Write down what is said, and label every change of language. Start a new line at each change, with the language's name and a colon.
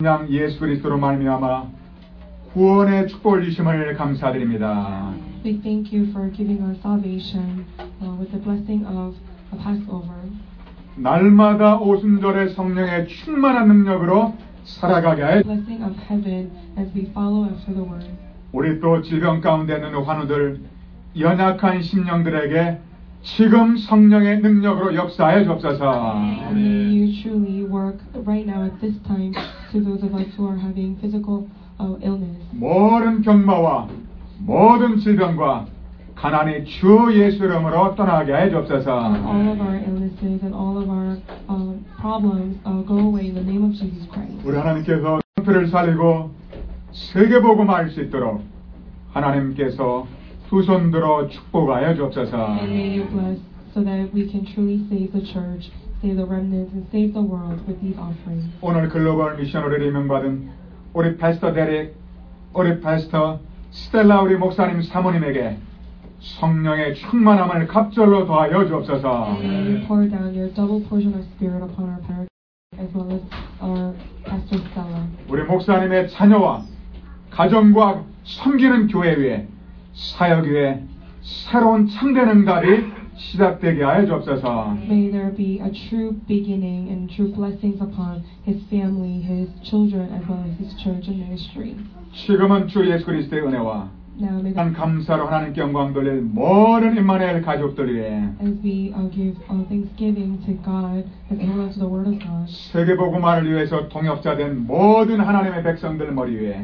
Korean: 예수 그리스도로 말미암아 구원의 축복을 주심을 감사드립니다.
English: We thank you for giving our salvation with the blessing of a Passover.
Korean: 날마다 오순절의 성령의 충만한 능력으로 살아가게
English: 할 blessing of heaven as we follow after the word.
Korean: 우리 또 질병 가운데 있는 환우들 연약한 심령들에게 지금 성령의 능력으로 역사해 주옵소서.
English: May you truly work right now at this time to those of us who are having physical illness.
Korean: 모든 경마와 모든 질병과 가난이 주 예수 이름으로 떠나게 해 주옵소서.
English: All of our illnesses and all of our problems go away in the name of Jesus Christ.
Korean: 우리 하나님께서 성도를 살리고 세계복음화할 수 있도록 하나님께서 두 손 들어 축복하여 주옵소서.
English: And may you bless so that we can truly save the church, save the remnants, and save the world with these offerings.
Korean: 오늘 글로벌 미션으로 임명받은 우리 패스터 데릭, 우리 패스터 스텔라 우리 목사님 사모님에게 성령의 충만함을 갑절로 더하여 주옵소서.
English: And may you pour down your double portion of spirit upon our parents as well as our pastor Stella.
Korean: 우리 목사님의 자녀와 가정과 섬기는 교회 위에 사역 위에 새로운 참된 응답이 시작되게 하여 주옵소서.
English: May there be a true beginning and true blessings upon his family, his children, as well as his church and ministry.
Korean: 지금은 주 예수 그리스도의 은혜와 한 감사로 하나님께 영광 돌릴 모든 임마누엘 가족들 위해
English: as we give thanksgiving to God as well as the word of God
Korean: 세계복음화를 위해서 동역자 된 모든 하나님의 백성들 머리 위에